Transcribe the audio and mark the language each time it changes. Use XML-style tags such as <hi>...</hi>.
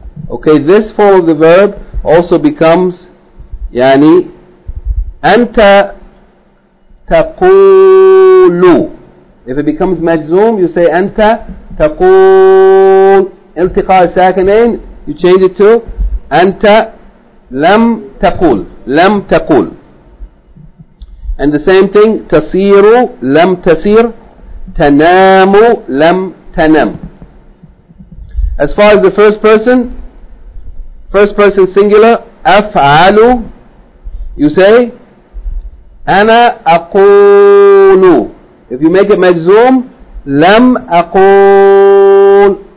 <en>Okay, this form of the verb also becomes</en> <ar>يعني أنت تقول.</ar> <en>If it becomes مجزوم, you say</en> <ar>أنت تقول. التقاء ساكنين,</ar> <en>you change it to</en> <ar>أنت لم تقول. لم تقول.</ar> <en>And the same thing,</en> <ar>تصير لم تصير, تنام لم تنام.</ar> <en>As far as the first person singular, أفعل. You say,</en> <ar>أنا أقول.</ar> <en>If you make it مجزوم,</en> <ar>لم أقول.</ar>